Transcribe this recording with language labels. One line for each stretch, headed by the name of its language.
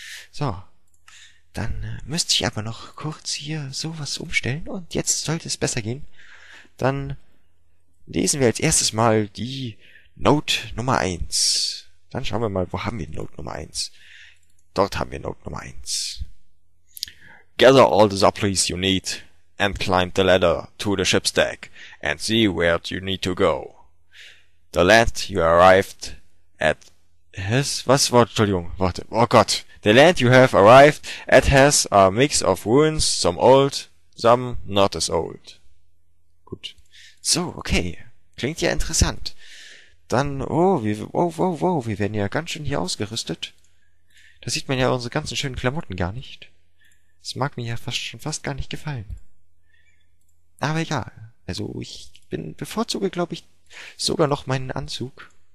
German: So, dann müsste ich aber noch kurz hier sowas umstellen und jetzt sollte es besser gehen. Dann lesen wir als erstes mal die Note Nummer 1. Dann schauen wir mal, wo haben wir die Note Nummer 1? Dort haben wir Note Nummer 1.
English: Gather all the supplies you need and climb the ladder to the ship's deck and see where you need to go. The land you arrived at has,
German: was war, Entschuldigung, warte, oh Gott.
English: The land you have arrived at has a mix of ruins, some old, some not as old.
German: Gut. So, okay. Klingt ja interessant. Dann, oh, wir werden ja ganz schön hier ausgerüstet. Da sieht man ja unsere ganzen schönen Klamotten gar nicht. Das mag mir ja schon fast gar nicht gefallen. Aber egal. Also, bevorzuge, glaube ich, sogar noch meinen Anzug.